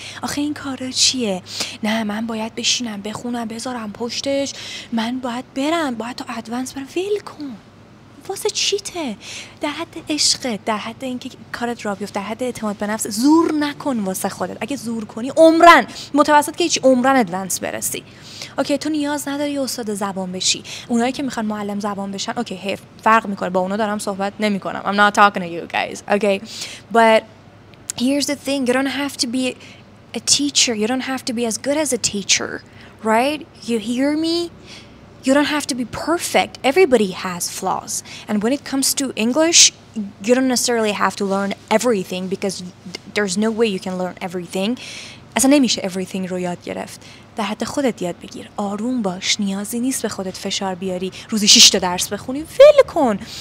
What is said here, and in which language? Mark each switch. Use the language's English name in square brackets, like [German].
[Persian] آخه این کارا چیه؟ نه من باید بشینم بخونم بذارم پشتش، من باید برم، باید تو ادوانس برم، ویل کن، واسه چیته؟ در حد عشقت، در حد اینکه کارت را بیفت، در حد اعتماد به نفس، زور نکن واسه خودت. اگه زور کنی عمرن متوسط که هیچ، عمرن ادوانس برسی. اوکی، تو نیاز نداری استاد زبان بشی. اونایی که میخوان معلم زبان بشن، اوکی، هی فرق میکنه، با اونا دارم صحبت نمیکنم، [English] I'm not talking to you guys. Okay, but here's the thing, you don't have to be a teacher, you don't have to be as good as a teacher, right? You hear me? You don't have to be perfect. Everybody has flaws. And when it comes to English, you don't necessarily have to learn everything because there's no way you can learn everything. [Persian] اصلا نمیشه everything رو یاد گرفت. در حد خودت یاد بگیر. آروم باش. نیازی نیست به خودت فشار بیاری. روزی 6 تا درس بخونی. ول کن.